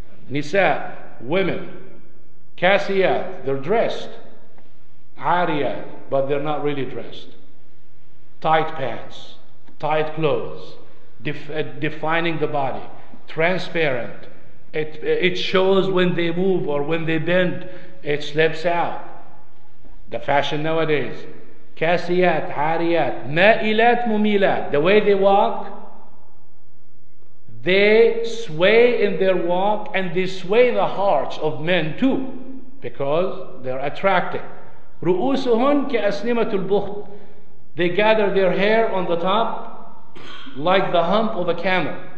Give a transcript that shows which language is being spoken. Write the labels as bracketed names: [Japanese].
[English] نساء, women, كاسيات, they're dressed, عاريات, but they're not really dressed, tight pants, tight clothes, defining the body, transparent. It shows when they move or when they bend, it slips out. The fashion nowadays. [Arabic] كاسيات, عاريات, مائلات, مميلات. [English] The way they walk, they sway in their walk and they sway the hearts of men too because they're attracted. [Arabic] رؤوسهن كأسنمة البخت. [English] They gather their hair on the top like the hump of a camel.